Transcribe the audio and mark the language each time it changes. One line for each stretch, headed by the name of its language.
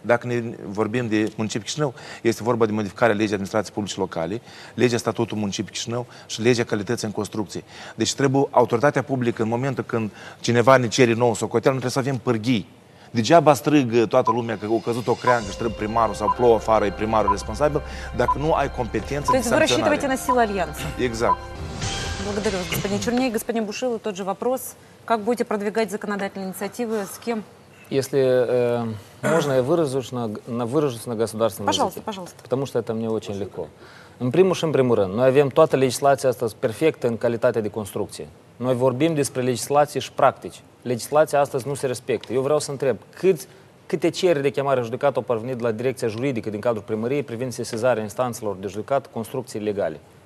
Romanian: Dacă ne vorbim de municipiul Chișinău, este vorba de modificarea legii administrației publice locale, legea statutul municipiului Chișinău și legea calității în construcție. Deci trebuie autoritatea publică, în momentul când cineva ne cere nouă socoteală, noi trebuie să avem pârghii. Degeaba strigă toată lumea că a căzut o creangă și trebuie primarul sau plouă afară, e primarul responsabil, dacă nu ai competență. Deci vă rășitivăți în sila Alianței. Exact.
Russian: Благодарю вас, господин Черней. Господин Бушилов, тот же вопрос. Как будете продвигать законодательные инициативы, с кем? Если можно, я выражусь на государственном пожалуйста, языке. Пожалуйста. Потому что это мне очень легко.
Romanian: În primul și în primul rând, noi avem toată legislația asta perfectă în calitatea de construcție. Noi vorbim despre legislație și practici. Legislația astăzi nu se respectă. Eu vreau să întreb, câte cereri de chemare a judecată au parvenit la direcția juridică din cadrul primăriei privind sesizarea instanțelor de judecat construcții ilegale?